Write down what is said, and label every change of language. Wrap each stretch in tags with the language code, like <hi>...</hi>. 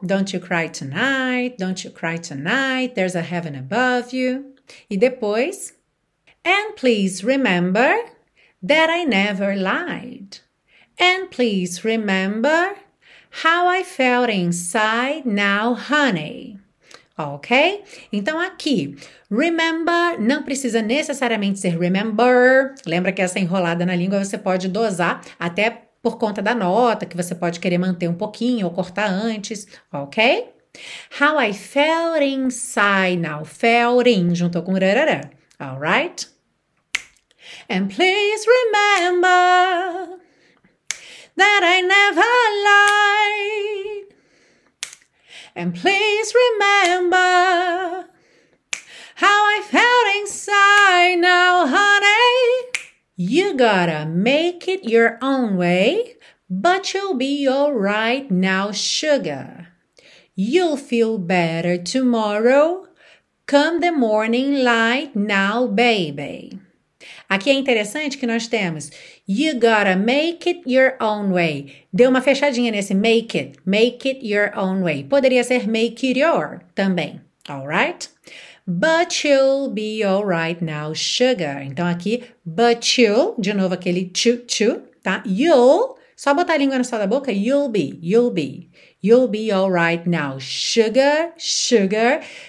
<en>Don't you cry tonight, don't you cry tonight, there's a heaven above you.</en> <pt>E depois.</pt> <en>And please remember that I never lied. And please remember how I felt inside now, honey. Ok?</en> <pt>Então aqui, remember não precisa necessariamente ser remember. Lembra que essa enrolada na língua você pode dosar até. Por conta da nota, que você pode querer manter um pouquinho ou cortar antes, ok?</pt> <en>How I felt inside now, felting,</en> <pt>juntou com rarará,</pt> <en>alright? And please remember that I never lied. And please remember how I felt inside now, honey. You gotta make it your own way, but you'll be all right now, sugar. You'll feel better tomorrow, come the morning light now, baby.</en> <pt>Aqui é interessante que nós temos</pt> <en>You gotta make it your own way.</en> <pt>Dê uma fechadinha nesse</pt> <en>make it your own way.</en> <pt>Poderia ser</pt> <en>make it your</en> <pt>também,</pt> <en>alright? But you'll be alright now, sugar.</en> <pt>Então aqui,</pt> <en>but you'll,</en> <pt>de novo aquele tchu-tchu, tá?</pt> <en>You'll,</en> <pt>só botar a língua no céu da boca,</pt> <en>you'll be, you'll be. You'll be alright now, sugar, sugar.</en>